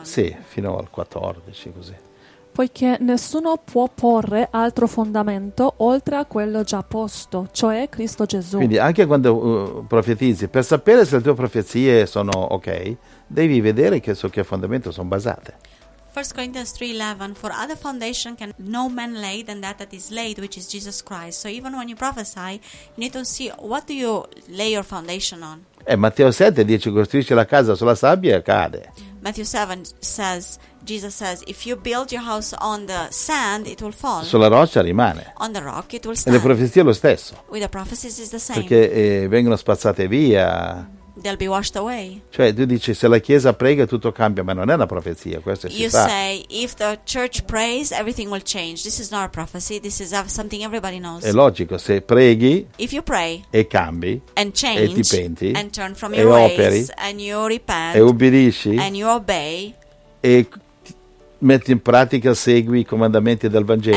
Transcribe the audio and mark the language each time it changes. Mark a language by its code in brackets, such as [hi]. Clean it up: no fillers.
[it] Sì, fino al 14 così. Poiché nessuno può porre altro fondamento oltre a quello già posto, cioè Cristo Gesù. Quindi anche quando profetizzi, per sapere se le tue profezie sono ok, devi vedere che su che fondamento sono basate. [en] 1 Corinthians 3:11, for other foundation can no man lay than that that is laid, which is Jesus Christ. So even when you prophesy, you need to see what do you lay your foundation on. [it] Matteo 7 dice, costruisce la casa sulla sabbia e cade. [en] Matthew 7 says, Jesus says, if you build your house on the sand, it will fall. [it] Sulla roccia rimane. [en] On the rock, it will stand. [it] E le profezie lo stesso. [en] With the prophecies is the same. [it] Perché vengono spazzate via. [en] They'll be washed away. [it] Cioè tu dici, se la chiesa prega tutto cambia, ma non è una profezia, questo è. [en] You [it] fa. [en] Say, if the church prays, everything will change. This is not a prophecy, this is something everybody knows. [it] È logico, se preghi. [en] If you pray. [it] E cambi. [en] And change. [it] E ti penti. [en] And turn from [it] e [en] your ways. [it] Operi, [en] and you repent. [it] E ubbidisci. [en] And you obey. [it] E metti in pratica, segui i comandamenti del Vangelo.